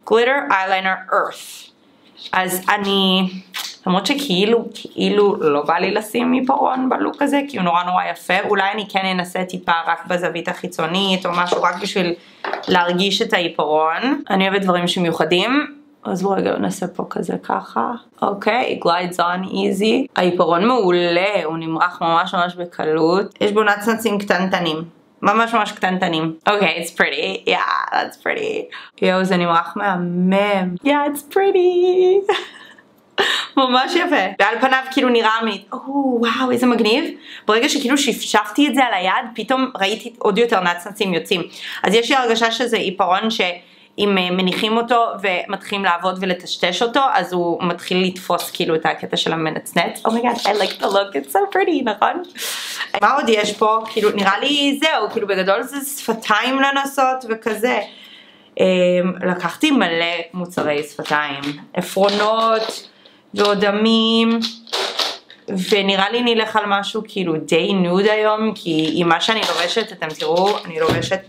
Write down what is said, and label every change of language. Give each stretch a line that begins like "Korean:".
Hebrew: Glitter Eyeliner Earth. אז אני, למרות שכאילו לא בא לי לשים עיפרון בלוק הזה, כי הוא נורא נורא יפה, אולי אני כן אנסה טיפה רק בזווית החיצונית או משהו, רק בשביל להרגיש את העיפרון. אני אוהבת דברים שמיוחדים, אז בואו רגע נעשה פה כזה ככה.
English: אוקיי, okay, glides on easy.
Hebrew: העיפרון מעולה, הוא נמרח ממש ממש בקלות. יש בו נצנצים קטנטנים. ממש ממש קטנטנים.
English: אוקיי, okay, it's pretty. Yeah, that's pretty.
Hebrew: יו, זה נמרח מהמם.
English: Yeah, it's pretty.
Hebrew: ממש יפה. ועל פניו כאילו נראה מי... או, וואו, איזה מגניב. ברגע שכאילו שפשפתי את זה על היד, פתאום ראיתי עוד יותר נצנצים יוצאים. אז יש לי הרגשה שזה עיפרון ש... אם מניחים אותו ומתחילים לעבוד ולטשטש אותו, אז הוא מתחיל לתפוס כאילו את הקטע של המנצנץ.
English: Oh my god, I like the look, it's so pretty,
Hebrew: נכון? מה עוד יש פה? כאילו, נראה לי זהו, כאילו בגדול זה שפתיים לנסות וכזה. לקחתי מלא מוצרי שפתיים. עפרונות ועודמים. ונראה לי נלך על משהו כאילו די נוד היום, כי עם מה שאני לובשת, אתם תראו, אני לובשת...